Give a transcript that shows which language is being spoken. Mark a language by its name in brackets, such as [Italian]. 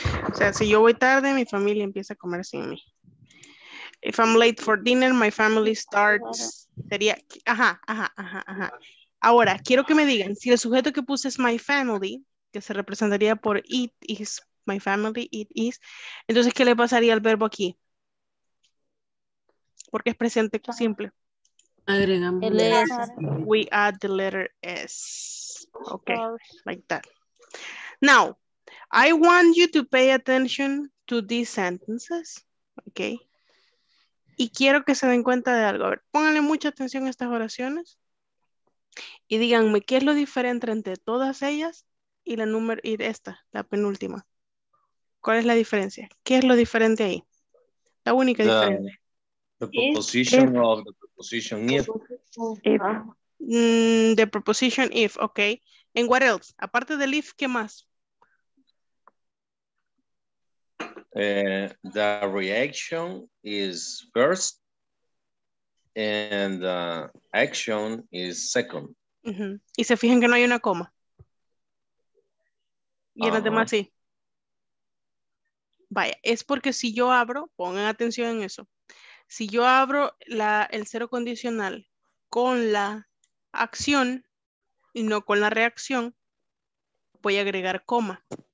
[Spanish] O sea, si yo voy tarde, mi familia empieza a comer sin mí. [English] If I'm late for dinner, my family starts. [Spanish] Sería, ajá. Ahora, quiero que me digan, si el sujeto que puse es my family, que se representaría por [English] it is, my family, it is, [Spanish] entonces, ¿qué le pasaría al verbo aquí? Porque es presente simple. Agregamos. [English] We add the letter S. Okay, like that. Now, I want you to pay attention to these sentences. Okay. [Spanish] Y quiero que se den cuenta de algo. A ver, pónganle mucha atención a estas oraciones. Y díganme, ¿qué es lo diferente entre todas ellas y la número y esta, la penúltima? ¿Cuál es la diferencia? ¿Qué es lo diferente ahí? La única diferencia. [English] The preposition of the preposition if. The preposition if, ok. And what else? [Spanish] Aparte del if, ¿qué más? [English] The reaction is first and the action is second. [Spanish] Uh-huh. Y se fijan que no hay una coma. Y en las demás sí. Vaya, es porque si yo abro, pongan atención en eso. Si yo abro el cero condicional con la acción y no con la reacción, voy a agregar coma.